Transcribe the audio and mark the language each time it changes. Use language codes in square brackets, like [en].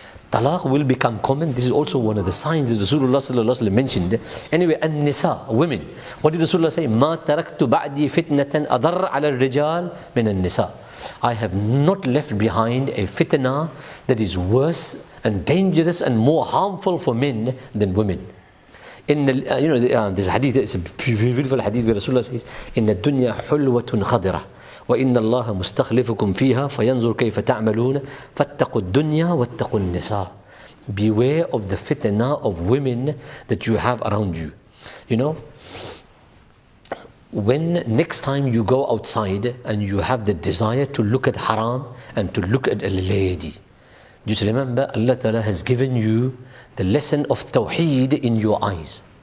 [en] Talaq will become common. This is also one of the signs that Rasulullah sallallahu alaihi wasallam mentioned. Anyway, an-nisa, women. What did Rasulullah say? [ar] مَا تَرَكْتُ بَعْدِي فِتْنَةً أَضَرَّ عَلَى الرِّجَالِ مِنَ النِّسَاءِ. [en] I have not left behind a fitna that is worse and dangerous and more harmful for men than women. This hadith is a beautiful hadith where Rasulullah says, [ar] إِنَّ الدُّنْيَا حُلْوَةٌ خَضِرَةٌ وَإِنَّ اللَّهَ مُسْتَخْلِفُكُمْ فِيهَا فَيَنْظُرْ كَيْفَ تَعْمَلُونَ فَاتَّقُوا الدُّنْيَا وَاتَّقُوا النِّسَاءَ. [en] Beware of the fitna of women that you have around you. You know, when next time you go outside and you have the desire to look at haram and to look at a lady, just remember Allah Ta'ala has given you the lesson of tawheed in your eyes.